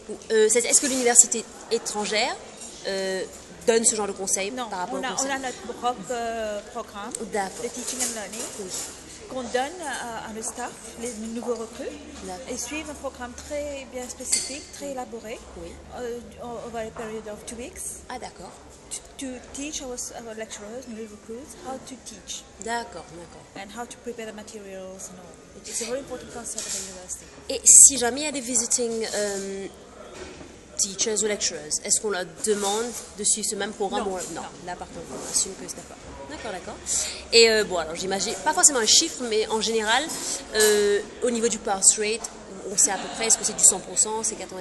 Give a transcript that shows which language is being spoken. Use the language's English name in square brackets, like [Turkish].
[French] ou, est-ce que l'université étrangère donne ce genre de conseils non, par rapport on a, au concept. On a notre propre programme, d'accord, de [English] teaching and learning, [French] oui, qu'on donne à le staff, les nouveaux recrues, d'accord, et suivent un programme très bien spécifique, très élaboré, oui, [English] over a period of 2 weeks. [French] Ah, d'accord. [English] To teach our lecturers, new recruits, how to teach. [French] D'accord, d'accord. [English] And how to prepare the materials and all. It's a very important concept at the university. [French] Et si jamais il y a des visiting teachers ou lecturers, est-ce qu'on leur demande de suivre ce même programme? Non, ou... non. Là par contre, on assume que c'est d'accord. D'accord, d'accord. Et bon, alors j'imagine, pas forcément un chiffre, mais en général, au niveau du pass rate, on sait à peu près, est-ce que c'est du 100%, c'est 90%,